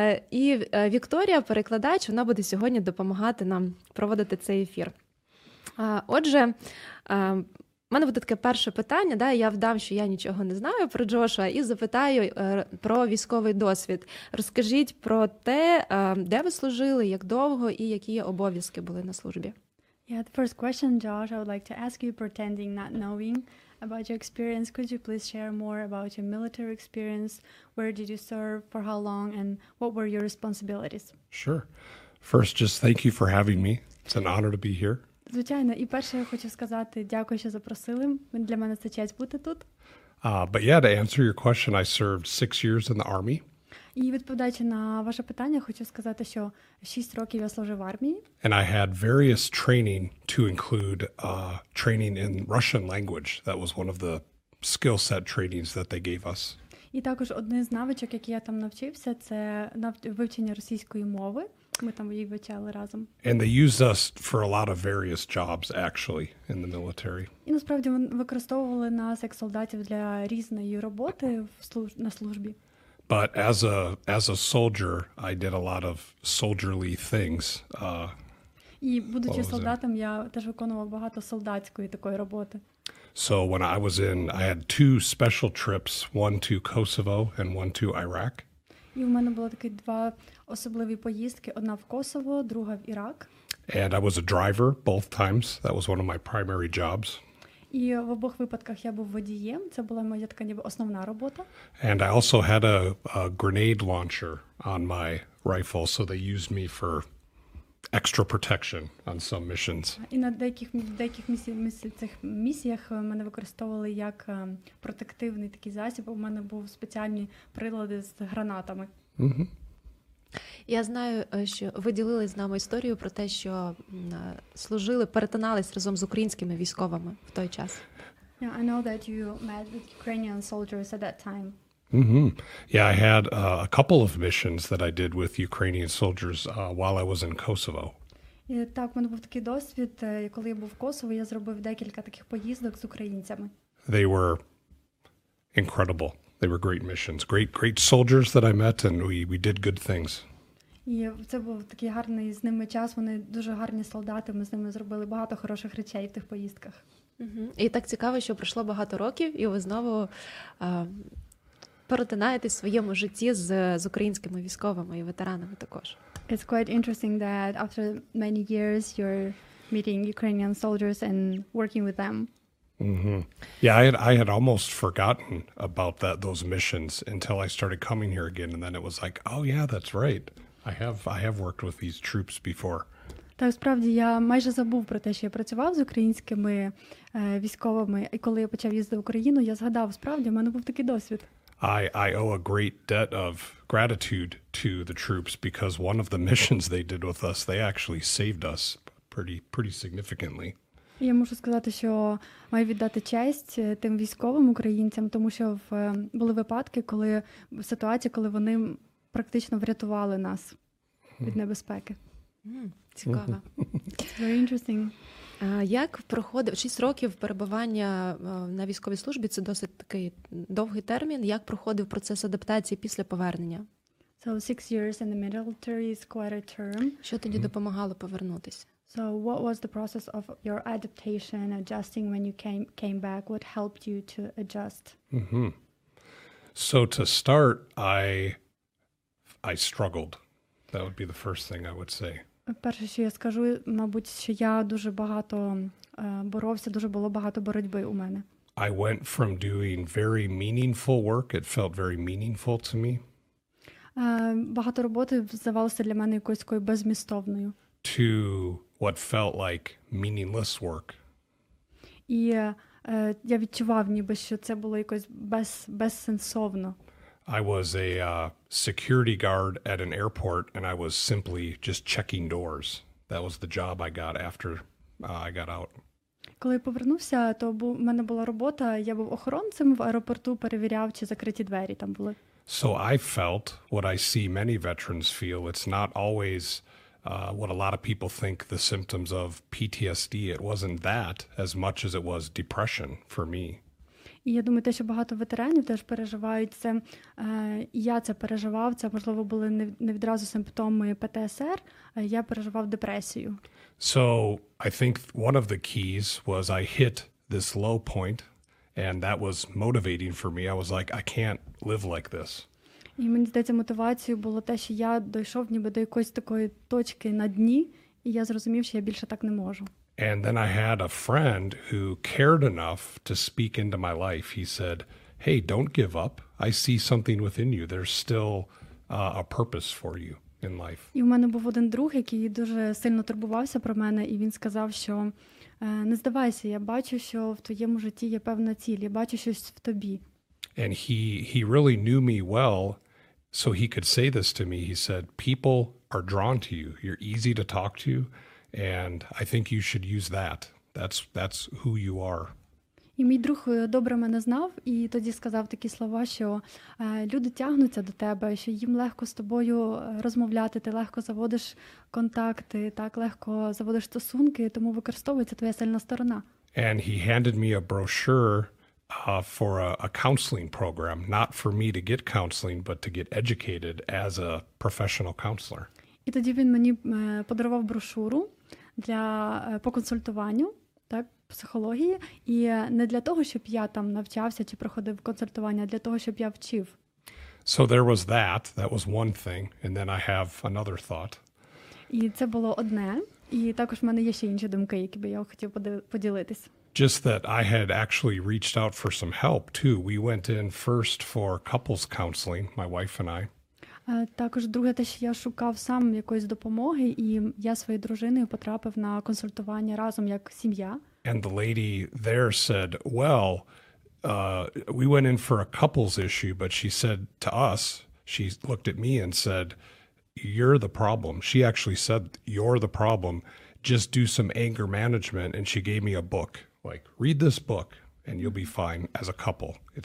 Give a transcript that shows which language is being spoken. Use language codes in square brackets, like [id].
[uk] І Вікторія, перекладач, вона буде сьогодні допомагати нам проводити цей ефір. Отже, у мене буде таке перше питання, да, я вдам, що я нічого не знаю про Джошуа, і запитаю про військовий досвід. Розкажіть про те, де ви служили, як довго і які обов'язки були на службі. [en] Yeah, the first question, Josh, I would like to ask you, pretending not knowing about your experience, could you please share more about your military experience? Where did you serve, for how long, and what were your responsibilities? Sure. First, just thank you for having me. It's an honor to be here. [uk] Звичайно. І перше, я хочу сказати, дякую, що запросили. Для мене це честь бути тут. [en] But yeah, to answer your question, I served 6 years in the Army. [uk] І відповідаючи на ваше питання, хочу сказати, що 6 років я служив в армії. [en] And I had various training to include training in Russian language. That was one of the skill set trainings that they gave us. [uk] І також одне з навичок, які я там навчився, це вивчення російської мови. Ми там її вивчали разом. [en] And they used us for a lot of various jobs actually in the military. [uk] І насправді вони використовували нас як солдатів для різної роботи на службі. [en] But as a soldier, I did a lot of soldierly things. [uk] І будучи солдатом, я теж виконував багато солдатської такої роботи. [en] So when I was in, I had 2 special trips, one to Kosovo and one to Iraq. [uk] І в мене було такі 2 особливі поїздки, одна в Косово, друга в Ірак. [en] And I was a driver both times. That was one of my primary jobs. [uk] І в обох випадках я був водієм. Це була моя така ніби основна робота. [en] And I also had a grenade launcher on my rifle, so they used me for extra protection on some missions. [uk] І на деяких цих місіях мене використовували як протективний такий засіб. У мене був спеціальні прилади з гранатами. Я знаю, що ви ділили з нами історію про те, що служили, перетинались разом з українськими військовими в той час. [en] Yeah, I know that you met with Ukrainian soldiers at that time. Mm-hmm. Yeah, I had a couple of missions that I did with Ukrainian soldiers while I was in Kosovo. [uk] Так, у мене був такий досвід, коли я був в Косово, я зробив декілька таких поїздок з українцями. [en] They were incredible. They were great missions. Great soldiers that I met, and we did good things. [uk] І це був такий гарний з ними час. Вони дуже гарні солдати. Ми з ними зробили багато хороших речей в тих поїздках. І так цікаво, що пройшло багато років, і ви знову перетинаєтесь в своєму житті з українськими військовими і ветеранами також. [en] It's quite interesting that after many years you're meeting Ukrainian soldiers and working with them. Mm-hmm. Yeah, I had almost forgotten about those missions until I started coming here again, and then it was like, oh yeah, that's right. I have worked with these troops before. [uk] Так, справді, я майже забув про те, що я працював з українськими військовими, і коли я почав їздити в Україну, я згадав, справді, у мене був такий досвід. [en] I owe a great debt of gratitude to the troops, because one of the missions they did with us, they actually saved us pretty significantly. [uk] Я можу сказати, що маю віддати честь тим військовим українцям, тому що були випадки, коли ситуація, коли вони практично врятували нас від небезпеки. Цікаво. [en] It's very interesting. [uk] Як проходив 6 років перебування на військовій службі? Це досить такий довгий термін. Як проходив процес адаптації після повернення? [en] So 6 years in the military is quite a term. [uk] Що тоді допомагало повернутися? [en] So what was the process of your adaptation, adjusting when you came back? What helped you to adjust? Mm-hmm. So to start, I struggled. That would be the first thing I would say. [uk] Перше, що я скажу, мабуть, що я дуже багато боровся, дуже було багато боротьби у мене. [en] I went from doing very meaningful work. It felt very meaningful to me. [uk] Багато роботи здавалося для мене якоюсь такою беззмістовною. [en] To what felt like meaningless work. [uk] І я відчував ніби, що це було якось безсенсовно. [en] I was a security guard at an airport, and I was simply just checking doors. That was the job I got after I got out. [uk] Коли я повернувся, то у мене була робота, я був охоронцем в аеропорту, перевіряв, чи закриті двері там були. [en] So I felt what I see many veterans feel. It's not always what a lot of people think the symptoms of PTSD. It wasn't that as much as it was depression for me. [uk] І я думаю, те, що багато ветеранів теж переживають, це я це переживав, це, можливо, були не відразу симптоми ПТСР, я переживав депресію. [en] So, I think one of the keys was I hit this low point, and that was motivating for me. I was like, I can't live like this. [uk] І мені здається, мотивацією було те, що я дійшов ніби до якоїсь такої точки на дні, і я зрозумів, що я більше так не можу. [en] And then I had a friend who cared enough to speak into my life. He said, hey, don't give up. I see something within you. There's still a purpose for you in life. [uk] І у мене був один друг, який дуже сильно турбувався про мене, і він сказав, що не здавайся, я бачу, що в твоєму житті є певна ціль, я бачу щось в тобі. [en] And he really knew me well, so he could say this to me. He said, people are drawn to you. You're easy to talk to. And I think you should use that. That's who you are. [uk] І мій друг добре мене знав і тоді сказав такі слова, що люди тягнуться до тебе, що їм легко з тобою розмовляти, ти легко заводиш контакти, так легко заводиш стосунки, тому використовується твоя сильна сторона. [en] And he handed me a brochure for a counseling program, not for me to get counseling, but to get educated as a professional counselor. [uk] І тоді він мені подарував брошуру для по консультуванню, так, психології, і не для того, щоб я там навчався чи проходив консультування, а для того, щоб я вчив. [en] So there was that, that was one thing, and then I have another thought. [uk] І це було одне, і також в мене є ще інші думки, які би я хотів поділитись. [en] Just that I had actually reached out for some help too. We went in first for couples counseling, my wife and I. [uk] Також друге те, що я шукав сам якоїсь допомоги, і я своєю дружиною потрапив на консультування разом як сім'я. [en] And the lady there said, well, we went in for a couples issue, but she said to us, she looked at me and said, you're the problem. She actually said, you're the problem. Just do some anger management. And she gave me a book, like, read this book and you'll be fine as a couple.